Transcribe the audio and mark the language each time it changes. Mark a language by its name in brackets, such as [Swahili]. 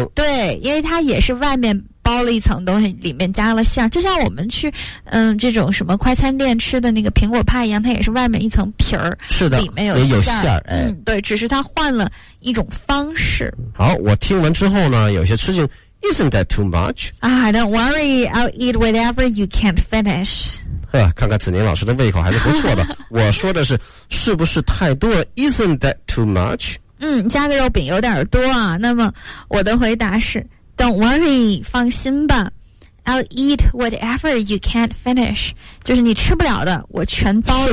[Chinese] 对，因为它也是外面包了一层东西，里面加了馅，就像我们去这种什么快餐店吃的那个苹果派一样，它也是外面一层皮儿，是的，里面有馅儿。对，只是它换了一种方式。好，我听完之后呢，有些吃惊 ， [English] Isn't that too much? I don't worry, I'll eat whatever you can't finish. [Chinese] 看看子宁老师的胃口还是不错的。我说的是不是太多 ？ [English] Isn't that too much? [Chinese] 加个肉饼有点多啊。那么我的回答是。 [English] Don't worry, [Chinese] 放心吧。 [English] I'll eat whatever you can't finish. [Chinese] 就是你吃不了的我全包了。